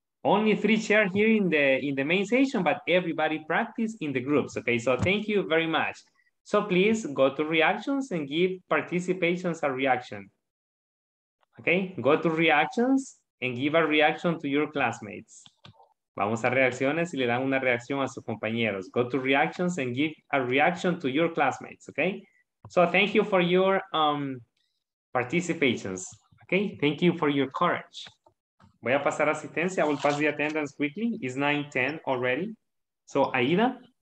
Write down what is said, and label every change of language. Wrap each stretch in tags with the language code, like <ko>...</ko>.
<en>Only 3 chairs here in the main session, but everybody practice in the groups. Okay, so thank you very much. So please go to reactions and give participations a reaction. Okay, go to reactions and give a reaction to your classmates.</en> <es>Vamos a reacciones y le dan una reacción a sus compañeros.</es> <en>Go to reactions and give a reaction to your classmates. Okay, so thank you for your participations. Okay, thank you for your courage.</en> <es>Voy a pasar asistencia.</es> <en>I will pass the attendance quickly. It's 9:10 already. So, Aida?</en>